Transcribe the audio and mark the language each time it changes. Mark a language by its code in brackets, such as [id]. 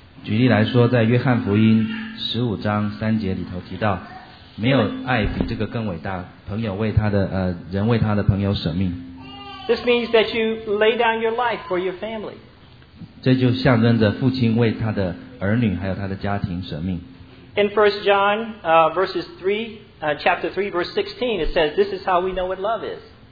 [zh] 举例来说，在约翰福音十五章三节里头提到，没有爱比这个更伟大，朋友为他的人为他的朋友舍命。 [en] This means that you lay down your life for your family. [zh] 这就象征着父亲为他的儿女还有他的家庭舍命。 [en] In 1 John, verses 3, chapter 3, verse 16, it says, this is how we know what love is.